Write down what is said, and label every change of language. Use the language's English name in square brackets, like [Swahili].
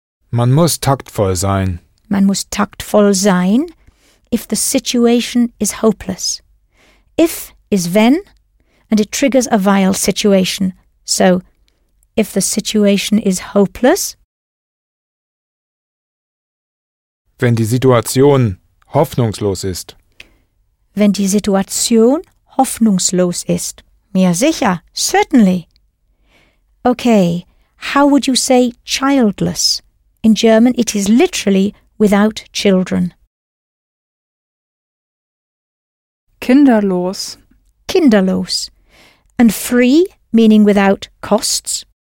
[German] Man muss taktvoll sein. Man muss taktvoll sein [English] if the situation is hopeless. If is when, and it triggers a vile situation. So, if the situation is hopeless. [German] Wenn die Situation hoffnungslos ist. Wenn die Situation hoffnungslos ist. Mir sicher, [English] certainly. Okay, how would you say childless? In German, it is literally without children. [German] Kinderlos. Kinderlos. [English] And free, meaning without costs?